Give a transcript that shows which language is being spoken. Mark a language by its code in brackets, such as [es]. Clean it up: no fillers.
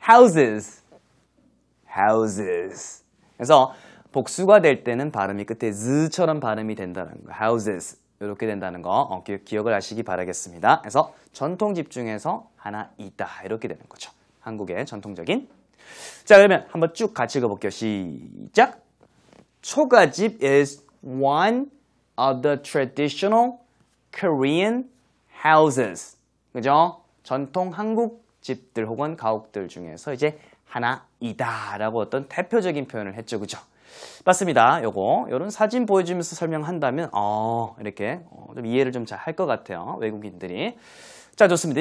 [ko] houses houses 그래서 복수가 될 때는 발음이 끝에 z처럼 발음이 된다는 거 houses 이렇게 된다는 거 기억을 하시기 바라겠습니다. 그래서 전통집 중에서 하나 있다 이렇게 되는 거죠. 한국의 전통적인 자, 그러면 한번 쭉 같이 읽어볼게요. 시작! [en] 초가집 is one of the traditional Korean houses. [ko] 그죠? 전통 한국 집들 혹은 가옥들 중에서 이제 하나이다 라고 어떤 대표적인 표현을 했죠. 그죠? 맞습니다. 요거 요런 사진 보여주면서 설명한다면 이렇게 좀 이해를 좀 잘 할 것 같아요. 외국인들이. 자, 좋습니다.